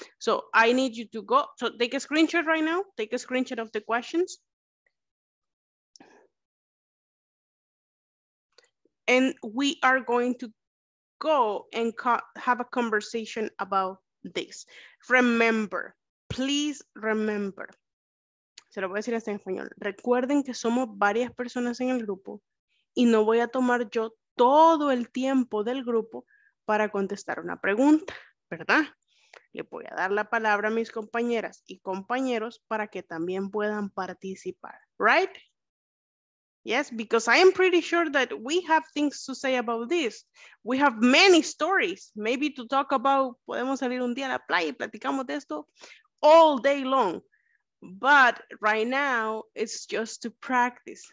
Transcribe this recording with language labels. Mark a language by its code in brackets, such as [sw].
[en] So I need you to go. So take a screenshot right now. Take a screenshot of the questions. And we are going to go and have a conversation about this. Remember, please remember. [es] Se lo voy a decir hasta en español. Recuerden que somos varias personas en el grupo y no voy a tomar yo todo el tiempo del grupo para contestar una pregunta, ¿verdad? Le voy a dar la palabra a mis compañeras y compañeros para que también puedan participar, ¿right? [en] Yes, because I am pretty sure that we have things to say about this. We have many stories, maybe to talk about, [es] podemos salir un día a la playa y platicamos de esto [en] all day long. But right now, it's just to practice.